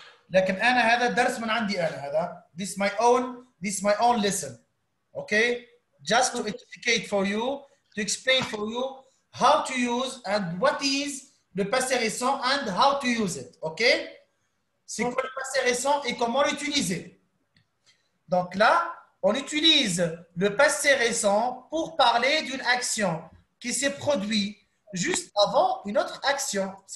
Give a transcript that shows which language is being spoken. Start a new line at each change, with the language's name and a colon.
Arabic: لكن انا هذا درس من عندي انا هذا.
English: This is my own lesson. Okay? Just to educate for you, to explain for you how to use and what is le passé récent and how to use it. Okay?
French: C'est quoi le passé récent et comment l'utiliser? Donc là, on utilise le passé récent pour parler d'une action qui s'est produite juste avant une autre action.